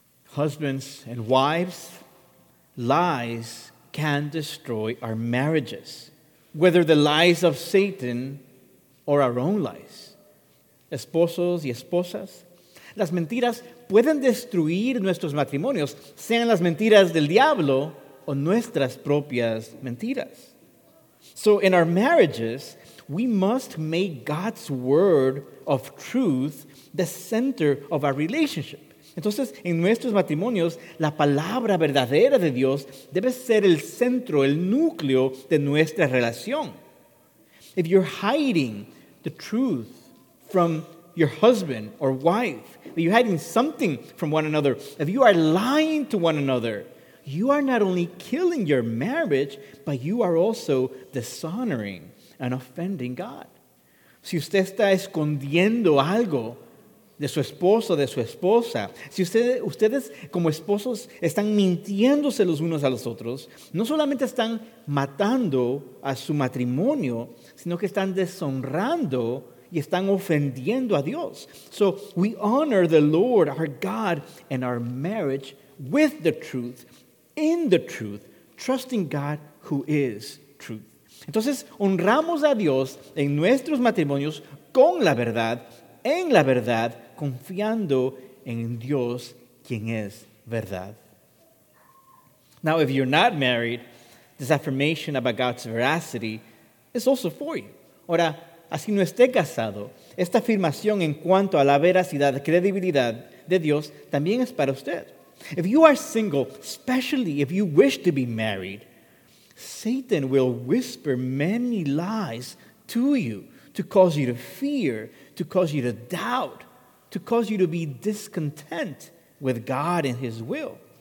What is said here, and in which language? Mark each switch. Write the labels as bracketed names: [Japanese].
[English] Husbands and wives, lies can destroy our marriages, whether the lies of Satan or our own lies. [Spanish] Esposos y esposas, las mentiras pueden destruir nuestros matrimonios, sean las mentiras del diablo o nuestras propias mentiras. [English] So in our marriages, we must make God's word of truth the center of our relationship. [Spanish] Entonces, en nuestros matrimonios, la palabra verdadera de Dios debe ser el centro, el núcleo de nuestra relación. [English] If you're hiding the truth from your husband or wife, if you're hiding something from one another, if you are lying to one another, you are not only killing your marriage, but you are also dishonoring and offending God. [Spanish] Si usted está escondiendo algo de su esposo, de su esposa. Si ustedes como esposos están mintiéndose los unos a los otros, no solamente están matando a su matrimonio, sino que están deshonrando y están ofendiendo a Dios. [English] So we honor the Lord, our God, and our marriage with the truth, in the truth, trusting God who is truth. [Spanish] Entonces, honramos a Dios en nuestros matrimonios con la verdad, en la verdad, confiando en Dios, quien es verdad. [English] Now, if you're not married, this affirmation about God's veracity is also for you. [Spanish] Ahora, así no esté casado, esta afirmación en cuanto a la veracidad, credibilidad de Dios, también es para usted. [English] If you are single, especially if you wish to be married, Satan will whisper many lies to you to cause you to fear, to cause you to doubt, to cause you to be discontent with God and His will.